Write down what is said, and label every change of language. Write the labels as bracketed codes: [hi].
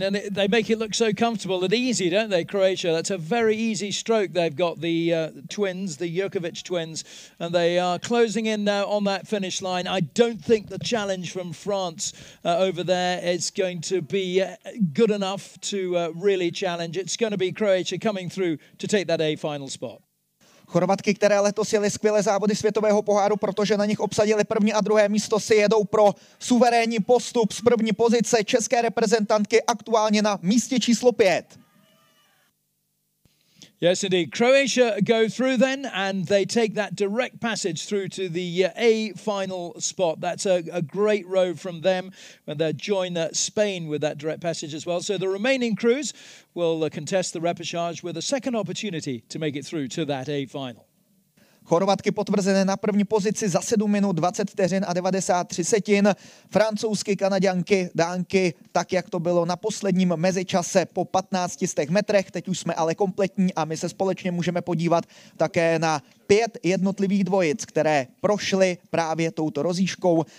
[en] And they make it look so comfortable and easy, don't they, Croatia? That's a very easy stroke they've got, the twins, the Jurković twins. And they are closing in now on that finish line. I don't think the challenge from France over there is going to be good enough to really challenge. It's going to be Croatia coming through to take that A final spot. [cs] Chorvatky, které letos jeli skvělé závody světového poháru, protože na nich obsadili první a druhé místo, si jedou pro suverénní postup z první pozice, české reprezentantky aktuálně na místě číslo 5. [en] Yes, indeed. Croatia go through then, and they take that direct passage through to the A final spot. That's a great row from them, and they join Spain with that direct passage as well. So the remaining crews will contest the repechage with a second opportunity to make it through to that A final. [cs] Chorvatky potvrzené na první pozici za 7 minut 20 vteřin a 93 setin. Francouzsky, Kanaďanky, Dánky, tak jak to bylo na posledním mezičase po 1500 metrech. Teď už jsme ale kompletní a my se společně můžeme podívat také na pět jednotlivých dvojic, které prošly právě touto rozíškou.